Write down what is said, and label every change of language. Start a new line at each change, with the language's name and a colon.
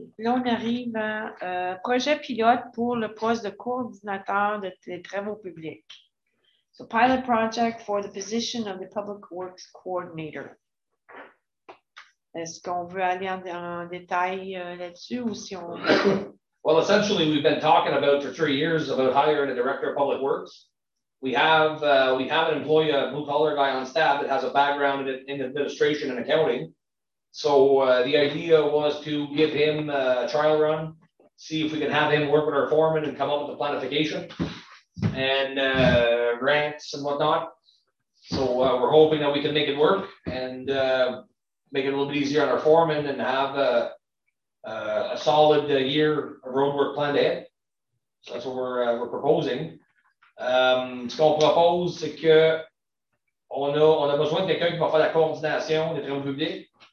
French: Là, on arrive à projet pilote pour le poste de coordinateur des travaux publics.
English: So, pilot project for the position of the public works coordinator.
French: Est-ce qu'on veut aller en détail là-dessus ou si on...
English: Well, essentially, we've been talking about for 3 years about hiring a director of public works. We have an employee, a blue-collar guy on staff that has a background in administration and accounting. So the idea was to give him a trial run, see if we can have him work with our foreman and come up with a planification and grants and whatnot. So we're hoping that we can make it work and make it a little bit easier on our foreman and have a solid year of road work planned ahead. So that's what we're proposing.
French: Ce qu'on propose, c'est que on a besoin de quelqu'un qui va faire la coordination des travaux publics.